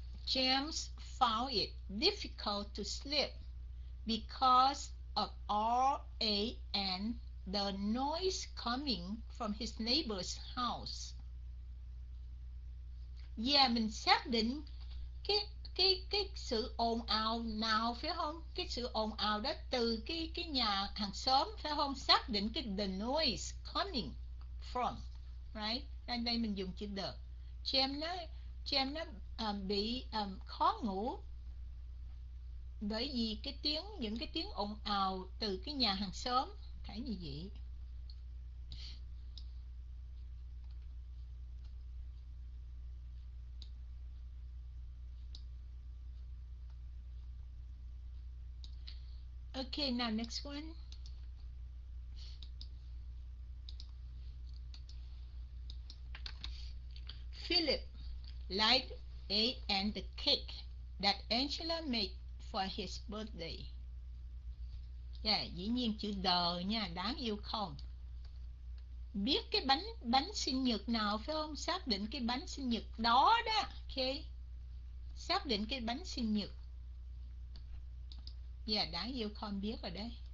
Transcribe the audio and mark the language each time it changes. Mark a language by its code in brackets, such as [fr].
[en] James found it difficult to sleep because of and the noise coming from his neighbor's house. [vi] Yeah, mình xác định cái sự ồn ào nào, phải không? Cái sự ồn ào đó từ cái nhà hàng xóm, phải không? Xác định cái [en] the noise coming from, right? [vi] Đang đây mình dùng chữ the. James nó bị khó ngủ bởi vì cái tiếng, những cái tiếng ồn ào từ cái nhà hàng xóm, phải như vậy. [en] Okay, now next one. Philip liked and the cake that Angela made for his birthday. [vi] Yeah, dĩ nhiên chữ the nha, đáng yêu không? Biết cái bánh bánh sinh nhật nào, phải không? Xác định cái bánh sinh nhật đó đó. Okay. Xác định cái bánh sinh nhật. Yeah, đáng yêu không biết rồi đấy.